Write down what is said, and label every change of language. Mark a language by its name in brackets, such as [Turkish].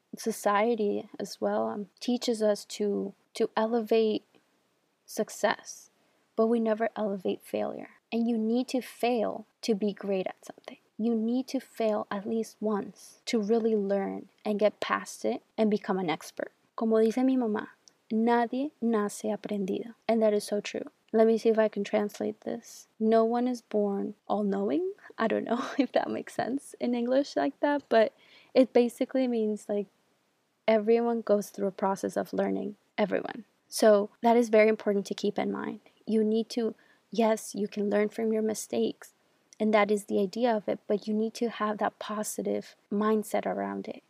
[English] Society as well teaches us to elevate success, but we never elevate failure. And you need to fail to be great at something. You need to fail at least once to really learn and get past it and become an expert. [Spanish] Como dice mi mamá, nadie nace aprendido. [English] And that is so true. Let me see if I can translate this. No one is born all-knowing. I don't know if that makes sense in English like that, but it basically means like everyone goes through a process of learning. Everyone. So that is very important to keep in mind. You need to, yes, you can learn from your mistakes, and that is the idea of it, but you need to have that positive mindset around it.